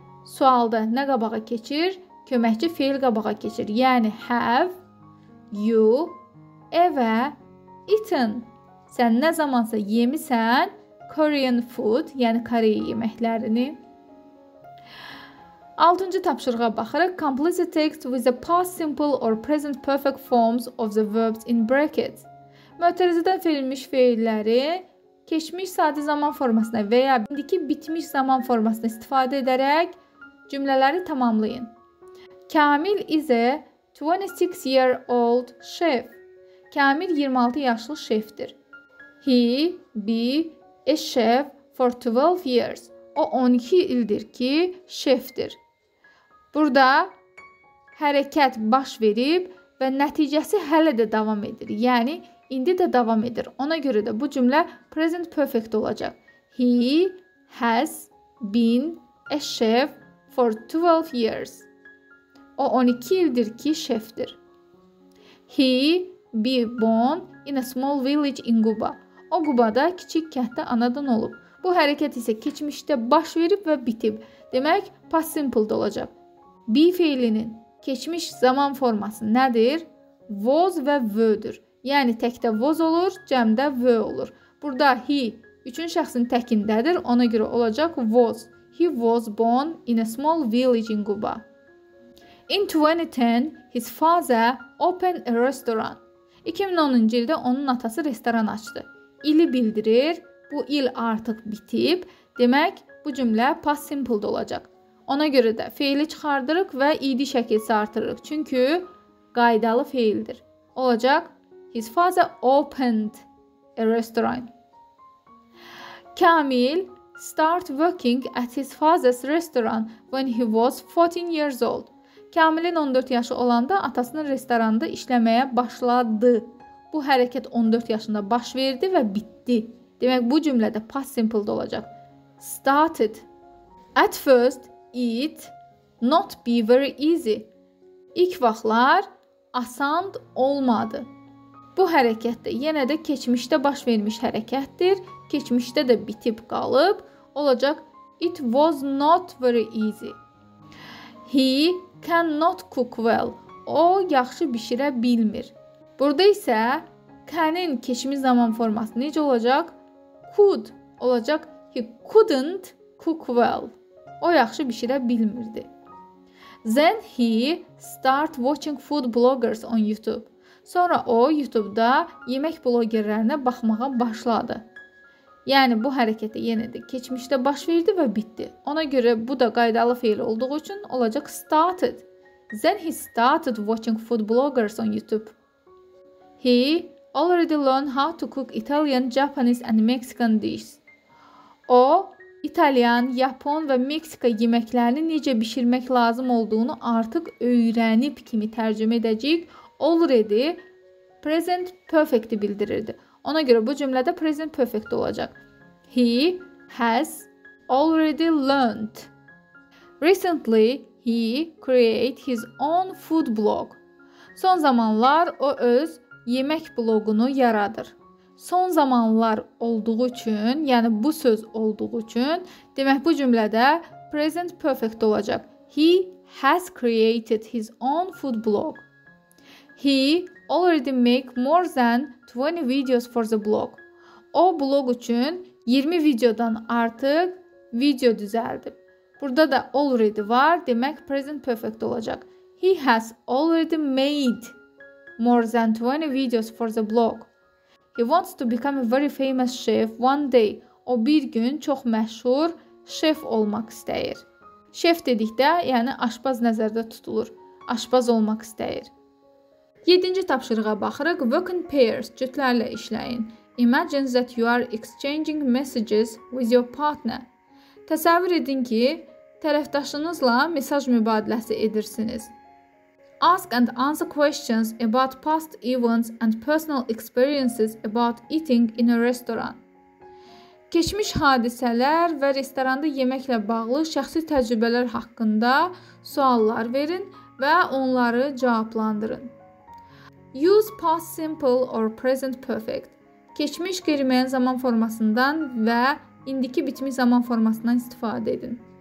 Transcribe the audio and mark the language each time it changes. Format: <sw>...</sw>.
<az>Sualda nə qabağa keçir? Köməkçi fiil qabağa keçir. Yəni</az> <en>have, you, ever, eaten.</en> <az>Sən nə zamansa yemisən</az> <en>Korean food,</en> <az>yəni Koreya yeməklərini. 6-cı tapşırığa baxırıq.</az> <en>Complete the text with the past simple or present perfect forms of the verbs in brackets.</en> <az>Mötərizədən verilmiş feilləri keçmiş sadə zaman formasına və ya indiki bitmiş zaman formasına istifadə edərək cümlələri tamamlayın.</az> <en>Kamil is a 26-year-old chef.</en> <az>Kamil 26 yaşlı şefdir.</az> <en>He be a chef for 12 years.</en> <az>O 12 ildir ki şefdir. Burada hərəkət baş verib və nəticəsi hələ də davam edir. Yəni, indi də davam edir. Ona görə də bu cümlə present perfect olacaq.</az> <en>He has been a chef for 12 years.</en> <az>O 12 ildir ki şefdir.</az> <en>He be born in a small village in Quba.</en> <az>O Quba'da kiçik kənddə anadan olub. Bu hərəkət isə keçmişdə baş verib və bitib. Demək, past simple-də olacaq. Be feilinin keçmiş zaman forması nədir? Was və were-dür. Yəni, təkdə was olur, cəmdə were olur. Burada he üçün şəxsin təkindədir. Ona görə olacaq was.</az> <en>He was born in a small village in Quba. In 2010, his father opened a restaurant.</en> <az>2010-cu ildə onun atası restoran açdı. İli bildirir. Bu il artıq bitib. Demək, bu cümlə past simple-də olacaq. Ona görə də feili çıxardırıq və ed şəkilsi artırırıq. Çünki qaydalı feildir. Olacaq,</az> <en>his father opened a restaurant. Kamil started working at his father's restaurant when he was 14 years old.</en> <az>Kamilin 14 yaşı olanda atasının restoranda işləməyə başladı. Bu hərəkət 14 yaşında baş verdi və bitdi. Demək, bu cümlədə past simple-də olacaq.</az> <en>Started. At first, it not be very easy.</en> <az>İlk vaxtlar asan olmadı. Bu hərəkətdə yenə də keçmişdə baş vermiş hərəkətdir. Keçmişdə də bitib qalıb. Olacaq,</az> <en>it was not very easy. He cannot cook well.</en> <az>O, yaxşı bişirə bilmir. Burada isə can-in keçmiş zaman forması necə olacaq?</az> <en>Could</en> <az>olacaq.</az> <en>He couldn't cook well.</en> <az>O, yaxşı bişirə bilmirdi.</az> <en>Then he started watching food bloggers on YouTube.</en> <az>Sonra o, YouTube-da yemək bloggerlərinə baxmağa başladı. Yəni, bu hərəkəti yenidir. Keçmişdə baş verdi və bitdi. Ona görə bu da qaydalı feil olduğu üçün olacaq started.</az> <en>Then he started watching food bloggers on YouTube. He already learned how to cook Italian, Japanese and Mexican dishes.</en> <az>O, İtalyan, Yapon və Meksika yeməklərini necə bişirmək lazım olduğunu artıq öyrənib kimi tərcümə edəcəyik. Already present perfect-i bildirirdi. Ona görə bu cümlədə present perfect olacaq.</az> <en>He has already learned. Recently, he created his own food blog.</en> <az>Son zamanlar o öz yemək blogunu yaradır. Son zamanlar olduğu üçün, yəni bu söz olduğu üçün, demək bu cümlədə present perfect olacaq.</az> <en>He has created his own food blog. He already make more than 20 videos for the blog.</en> <az>O blog üçün 20 videodan artıq video düzəldib. Burada da already var, demək present perfect olacaq.</az> <en>He has already made more than 20 videos for the blog. He wants to become a very famous chef one day.</en> <az>O bir gün çox məşhur şef olmaq istəyir. Şef dedikdə, yəni aşbaz nəzərdə tutulur. Aşbaz olmaq istəyir. 7-ci tapşırığa baxırıq.</az> <en>Work in pairs,</en> <az>cütlərlə işləyin.</az> <en>Imagine that you are exchanging messages with your partner.</en> <az>Təsəvvür edin ki, tərəfdaşınızla mesaj mübadiləsi edirsiniz.</az> <en>Ask and answer questions about past events and personal experiences about eating in a restaurant.</en> <az>Keçmiş hadisələr və restoranda yeməklə bağlı şəxsi təcrübələr haqqında suallar verin və onları cavablandırın.</az> <en>Use past simple or present perfect.</en> <az>Keçmiş qeyri-müəyyən zaman formasından və indiki bitmiş zaman formasından istifadə edin.</az>